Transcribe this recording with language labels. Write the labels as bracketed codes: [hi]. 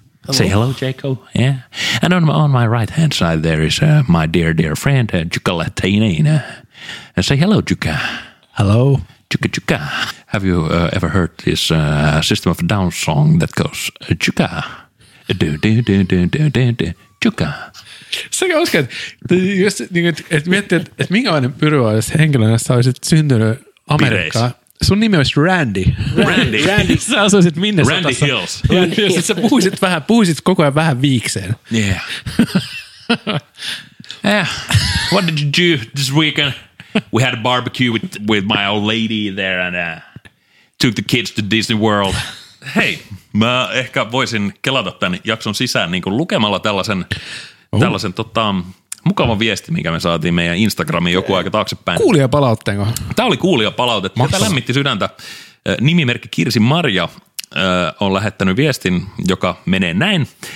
[en] Say hello, Jaco. Yeah. And on my right hand side, there is my dear, dear friend, Jukka Latinen. Say hello, Jukka. Hello. Jukka, Jukka. Have you ever heard this System of a Down song that goes, Jukka? Do, do, do, do, do, do, do, Jukka. [fi] Se on oikein, että miettii, että minkälainen pyrvaa henkilönä sä olisit syntynyt Amerikkaan. Sun nimi olisi Randy. Randy. Sä asuisit minne Randy sotassa. Hills. Randy Hills. Sä puhuisit vähän, koko ajan vähän viikseen. [en] Yeah. Yeah. What did you do this weekend? We had a barbecue with my old lady there and took the kids to Disney World. [fi] Hei, mä ehkä voisin kelata tämän jakson sisään niin kuin lukemalla tällaisen... Tällaisen mukava viesti, mikä me saatiin meidän Instagramiin joku aika taaksepäin. Kuulijapalautteenko? Tämä oli kuulijapalaute. Tämä lämmitti sydäntä. Nimimerkki Kirsi Marja on lähettänyt viestin, joka menee näin.